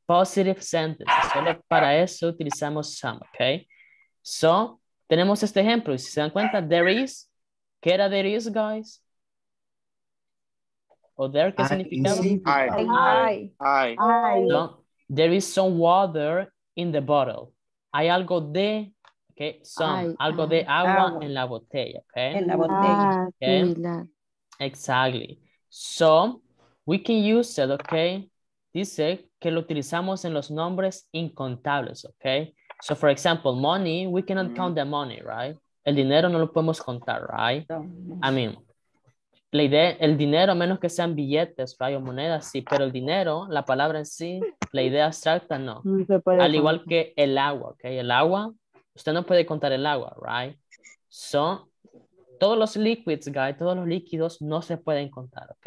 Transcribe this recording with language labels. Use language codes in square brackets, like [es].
[en] Positive sentences. [es] Solo para eso utilizamos some, okay? So, tenemos este ejemplo. Si se dan cuenta, there is. ¿Qué era there is, guys? ¿O there qué significa? [en] I. No, there is some water in the bottle. [es] Hay algo de, okay? Some, algo de agua en la botella, okay? En la botella. [en] Okay? Exactly. So, we can use it, okay? [es] Dice que lo utilizamos en los nombres incontables, okay? [en] So, for example, money, we cannot count the money, right? [es] El dinero no lo podemos contar, right? [en] I mean, [es] la idea, el dinero, menos que sean billetes, right, o monedas, sí, pero el dinero, la palabra en sí, la idea abstracta, no. Al igual que el agua, okay? El agua, usted no puede contar el agua, right? So, todos los liquids, guys, todos los líquidos no se pueden contar, ¿ok?